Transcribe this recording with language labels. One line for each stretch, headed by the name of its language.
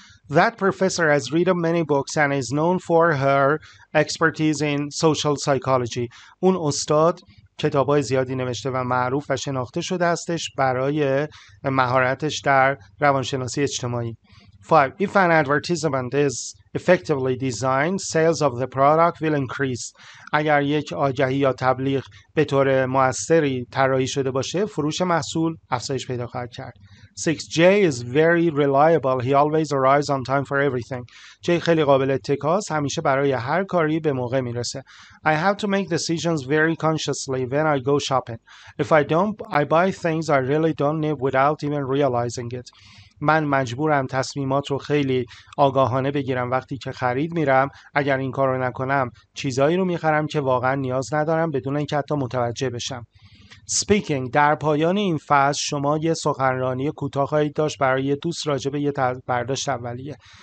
English: That professor has read many books and is known for her expertise in social psychology.
Persian: اون استاد کتابای زیادی نوشته و معروف و شناخته شده استش برای مهارتش در روانشناسی اجتماعی.
English: 5. If an advertisement is effectively designed, sales of the product will increase.
Persian: اگر یک آگهی یا تبلیغ به طور موثری طراحی شده باشه، فروش محصول افزایش پیدا خواهد کرد.
English: 6. Jay is very reliable. He always arrives on time for everything.
Persian: Jay خیلی قابل اتکا است، همیشه برای هر کاری به موقع میرسه.
English: I have to make decisions very consciously when I go shopping. If I don't, I buy things I really don't need without even realizing it.
Persian: من مجبورم تصمیمات رو خیلی آگاهانه بگیرم وقتی که خرید میرم. اگر این کار رو نکنم، چیزایی رو میخرم که واقعا نیاز ندارم بدون اینکه حتی متوجه بشم. Speaking در پایان این فصل شما یه سخنرانی کوتاه خواهید داشت برای دوست راجبه یه برداشت اولیه.